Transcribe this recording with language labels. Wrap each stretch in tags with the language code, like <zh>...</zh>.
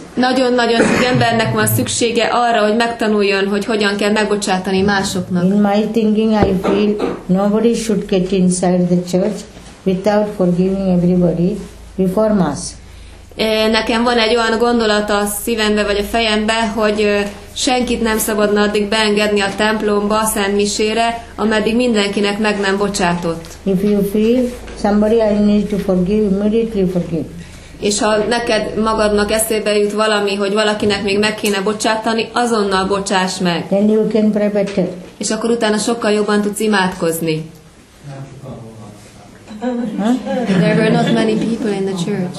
<hu>Nagyon-nagyon sok embernek van szüksége arra, hogy megtanuljon, hogy hogyan kell megbocsátani másoknak.</hu> <en>In my thinking I feel nobody should get inside the church without forgiving everybody before mass.</en> <hu>Nekem van egy olyan gondolat a szívembe vagy a fejembe, hogy senkit nem szabadna addig beengedni a templomba, a Szent Misére, ameddig mindenkinek meg nem bocsátott.</hu> <en>If you feel somebody I need to forgive, immediately forgive.</en> <hu>És ha neked magadnak eszébe jut valami, hogy valakinek még meg kéne bocsátani, azonnal bocsáss meg.</hu> <en>Then you can pray better.</en> <hu>És akkor utána sokkal jobban tudsz imádkozni. Huh?</hu> <en>There were not many people in the church.</en>